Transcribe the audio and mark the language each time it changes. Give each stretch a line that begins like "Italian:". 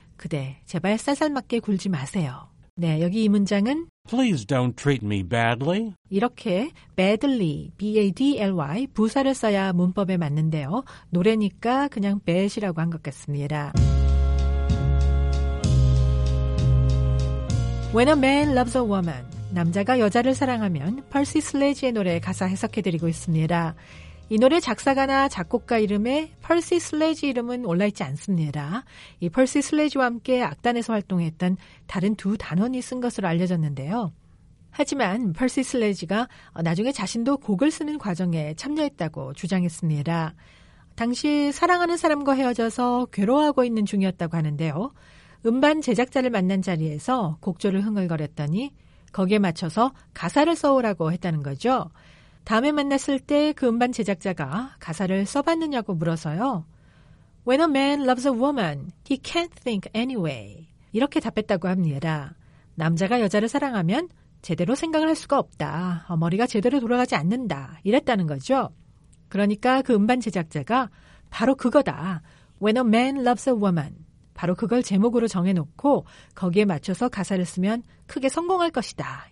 Korean: 그대, 제발 쌀쌀맞게 굴지 마세요. 네, 여기 이 문장은
English: Please don't treat me badly.
Korean: 이렇게 badly, B-A-D-L-Y, 부사를 써야 문법에 맞는데요. 노래니까 그냥 bad이라고 한 것 같습니다. When a man loves a woman, 남자가 여자를 사랑하면 Percy Sledge의 노래 가사 해석해드리고 있습니다. 이 노래 작사가나 작곡가 이름에 퍼시 슬레지 이름은 올라있지 않습니다. 이 퍼시 슬레지와 함께 악단에서 활동했던 다른 두 단원이 쓴 것으로 알려졌는데요. 하지만 퍼시 슬레지가 나중에 자신도 곡을 쓰는 과정에 참여했다고 주장했습니다. 당시 사랑하는 사람과 헤어져서 괴로워하고 있는 중이었다고 하는데요. 음반 제작자를 만난 자리에서 곡조를 흥얼거렸더니 거기에 맞춰서 가사를 써오라고 했다는 거죠. 다음에 만났을 때 그 음반 제작자가 가사를 써봤느냐고 물어서요.
English: When a man loves a woman, he can't think anyway.
Korean: 이렇게 답했다고 합니다. 남자가 여자를 사랑하면 제대로 생각을 할 수가 없다. 머리가 제대로 돌아가지 않는다. 이랬다는 거죠. 그러니까 그 음반 제작자가 바로 그거다.
English: When a man loves a woman.
Korean: 바로 그걸 제목으로 정해놓고 거기에 맞춰서 가사를 쓰면 크게 성공할 것이다.